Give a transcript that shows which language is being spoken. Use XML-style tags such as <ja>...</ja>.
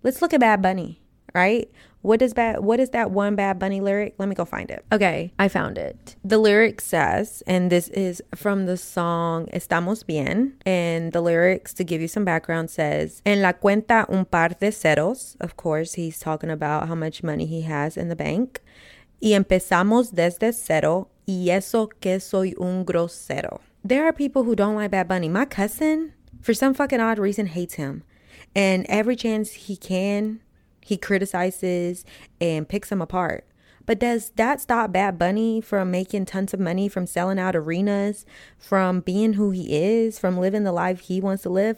<en>Let's look at Bad Bunny, right? What is that one Bad Bunny lyric? Let me go find it. Okay, I found it. The lyric says, and this is from the song Estamos Bien, and the lyrics, to give you some background, says,</en> <es>En la cuenta un par de ceros.</es> <en>Of course, he's talking about how much money he has in the bank.</en> <es>Y empezamos desde cero, y eso que soy un grosero.</es> <en>There are people who don't like Bad Bunny. My cousin, for some fucking odd reason, hates him. And every chance he can, he criticizes and picks them apart. But does that stop Bad Bunny from making tons of money, from selling out arenas, from being who he is, from living the life he wants to live?</en>